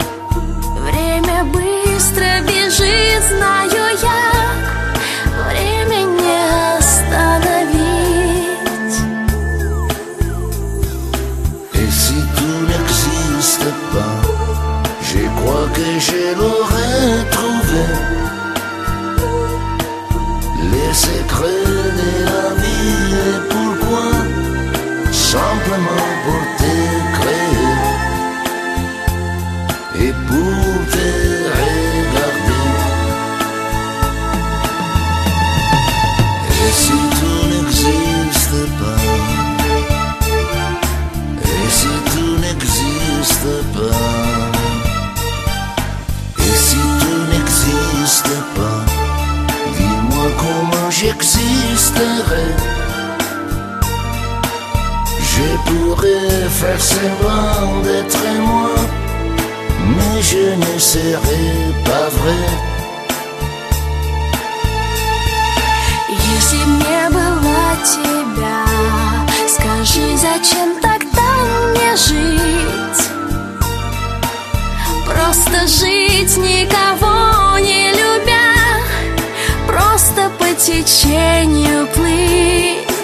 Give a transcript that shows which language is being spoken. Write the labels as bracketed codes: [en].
[ru] Время быстро бежит, знаю я, время не остановить. [fr] Et si tu n'existes pas, je crois que je l'aurais trouvé. Les secrets de la vie et pourquoi. Simplement pour te créer et pour te regarder. Et si tu n'existes pas, et si tu n'existes pas, et si tu n'existes pas, dis-moi comment j'existerai. Je pourrais faire semblant d'être moi, mais je ne serais pas vrai. [ru] Если б не было тебя, скажи, зачем тогда мне жить? Просто жить, никого не любя, просто по течению плыть.